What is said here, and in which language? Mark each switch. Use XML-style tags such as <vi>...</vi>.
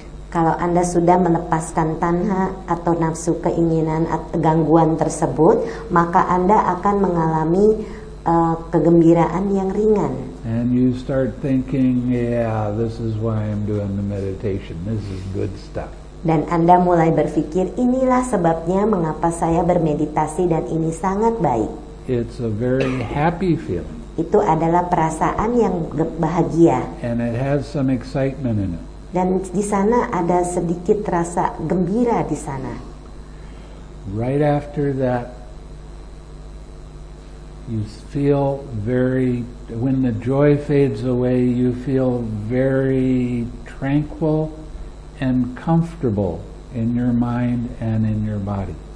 <id>Kalau Anda sudah melepaskan tanha atau nafsu keinginan atau gangguan tersebut, maka Anda akan mengalami kegembiraan yang ringan.</id> <en>And you start thinking, yeah, this is why I'm doing the meditation. This is good stuff.</en> <id>Dan Anda mulai berpikir, inilah sebabnya mengapa saya bermeditasi dan ini sangat baik.</id> <en>It's a very happy feeling.</en> <id>Itu adalah perasaan yang bahagia.</id> <en>And it has some excitement in it.</en> <id>Dan di sana ada sedikit rasa gembira di sana.</id> <en>Right after that, you feel very, when the joy fades away, you feel very tranquil and comfortable in your mind and in your body.</en>